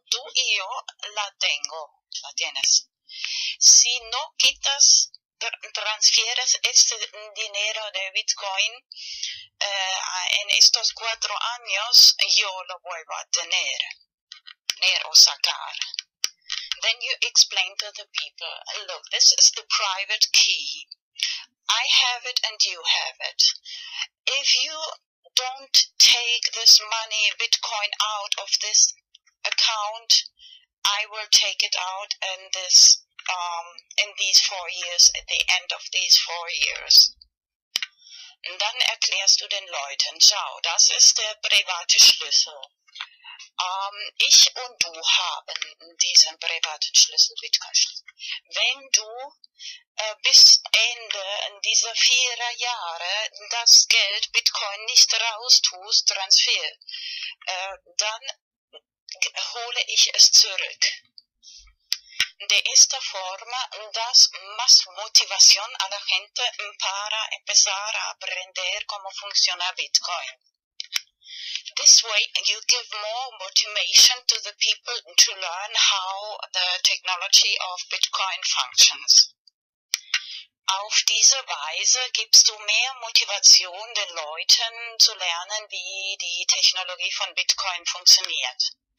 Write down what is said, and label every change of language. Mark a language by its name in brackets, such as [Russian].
[Spanish] Tú y yo la tengo, la tienes. Si no quitas, transfieres ese dinero de Bitcoin en estos 4 años, yo lo vuelvo a tener, o sacar. [English] Then you explain to the people, look, this is the private key. I have it and you have it. If you don't take this money, Bitcoin, out of this account, I will take it out in this in these 4 years, at the end of these 4 years. [German] Und dann erklärst du den Leuten, schau, das ist der private Schlüssel. Ich und du haben diesen privaten Schlüssel, Bitcoin-Schlüssel. Wenn du bis Ende dieser 4 Jahre das Geld Bitcoin nicht raustust, Transfer, dann hole ich es zurück. [Spanish] De esta forma das más motivación a la gente para empezar a aprender cómo funciona Bitcoin. [English] This way you give more motivation to the people to learn how the technology of Bitcoin functions. [German] Auf diese Weise gibst du mehr Motivation den Leuten zu lernen, wie die Technologie von Bitcoin funktioniert.